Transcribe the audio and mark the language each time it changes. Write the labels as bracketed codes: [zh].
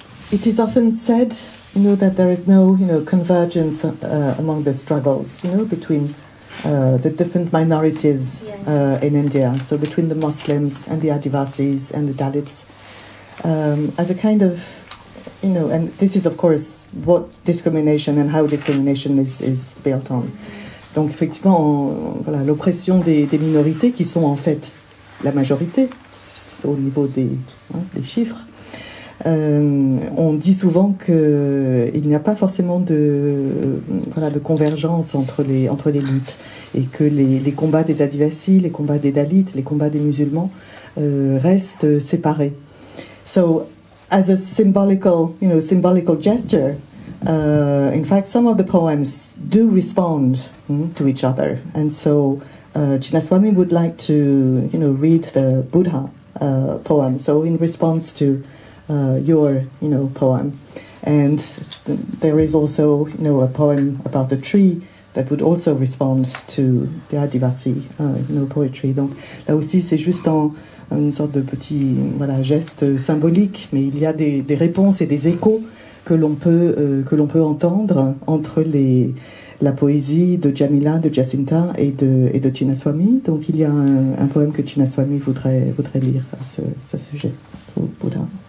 [en] It is often said, you know, that there is no, you know, convergence among the struggles, you know, between the different minorities in India, so between the Muslims and the Adivasis and the Dalits, as a kind of, you know, and this is of course what discrimination and how discrimination is built on. [fr] Donc effectivement, voilà, l'oppression des minorités qui sont en fait la majorité au niveau des chiffres. On dit souvent qu'il n'y a pas forcément de convergence entre les luttes, et que les combats des Adivasis, les combats des Dalits, les combats des musulmans restent séparés. [en] So, as a symbolical gesture, in fact, some of the poems do respond to each other. And so, Chinnaswamy would like to, you know, read the Buddha poem. So, in response to your, you know, poem. And there is also, you know, a poem about the tree that would also respond to the Adivasi, you know, poetry. [fr] Donc là aussi, c'est juste une sorte de petit, voilà, geste symbolique, mais il y a des réponses et des échos que l'on peut entendre entre la poésie de Jameela, de Jacinta et de Chinnaswamy. Donc il y a un poème que Chinnaswamy voudrait lire à ce sujet, au Bouddha.